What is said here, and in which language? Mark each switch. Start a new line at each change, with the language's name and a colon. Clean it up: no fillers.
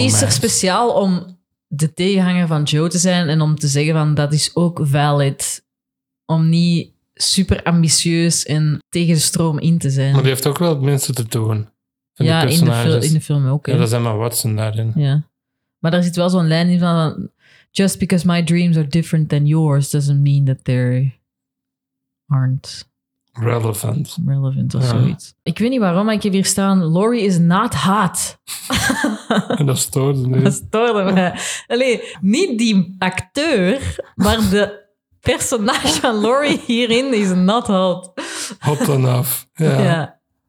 Dutch: Die is er speciaal om de tegenhanger van Joe te zijn en om te zeggen van dat is ook valid. Om niet super ambitieus en tegen de stroom in te zijn. Maar die heeft ook wel het minste te doen. Ja, in de film ook. Ja, dat is Emma Watson daarin. Ja. Maar daar zit wel zo'n lijn in van...
English: Just because my dreams are different than yours doesn't mean that they aren't... Relevant.
Dutch: Relevant of zoiets. Ik weet niet waarom, maar ik heb hier staan...
English: Laurie is not hot.
Dutch: En dat stoorde me. Dat stoorde me. Allee, niet die acteur, maar de personage van Laurie hierin
English: is not hot. Hot enough. Ja. Ja.